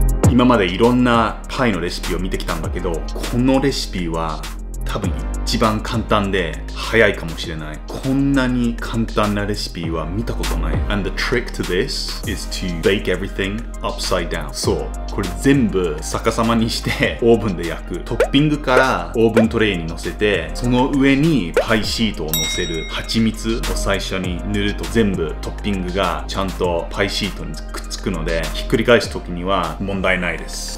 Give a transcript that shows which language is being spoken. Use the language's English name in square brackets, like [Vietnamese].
[Japanese] 今までいろんなパイのレシピを見てきたんだけど、このレシピは多分一番簡単で早いかもしれない。こんなに簡単なレシピは見たことない。 [English] And the trick to this is to bake everything upside down。 [Japanese] そう、これ全部逆さまにしてオーブンで焼く。トッピングからオーブントレイに乗せて、その上にパイシートを乗せる。蜂蜜を最初に塗ると全部トッピングがちゃんとパイシートにくっつくので、ひっくり返す時には問題ないです。